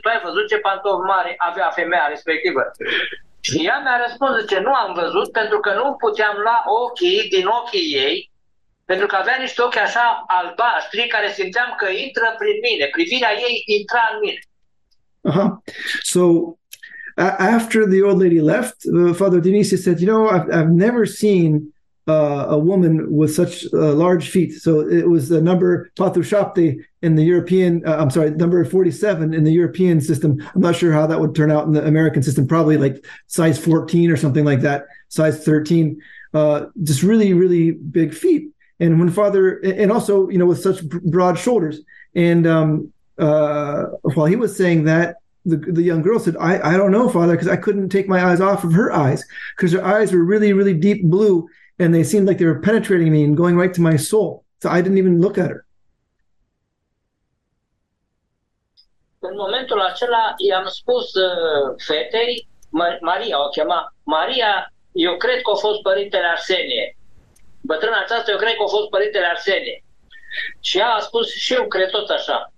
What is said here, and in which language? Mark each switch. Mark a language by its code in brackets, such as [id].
[ro] Tu ai văzut ce pantofi mare avea femeia respectivă? Și ea mi-a răspuns, zice, nu am văzut, pentru că nu puteam lua ochii din ochii ei, pentru că avea niște ochi așa albaștri, care simțeam că intră prin mine, privirea ei intra în mine. Uh-huh. [en] So after the old lady left, Father Denise said, you know, I've never seen a woman with such large feet. So it was the number [ro] patushapte [en] in the European, I'm sorry, number 47 in the European system. I'm not sure how that would turn out in the American system, probably like size 14 or something like that, size 13, just really, really big feet. And when Father, and also, you know, with such broad shoulders. And while he was saying that, the young girl said, I don't know, Father, because I couldn't take my eyes off of her eyes, because her eyes were really, really deep blue. And they seemed like they were penetrating me and going right to my soul. So I didn't even look at her. [ro] În momentul acela i-am spus fetei, Maria o chema, Maria, eu cred că a fost părintele Arsenie. Bătrâna aceasta, eu cred că a fost părintele Arsenie. Și ea a spus și eu cred tot așa.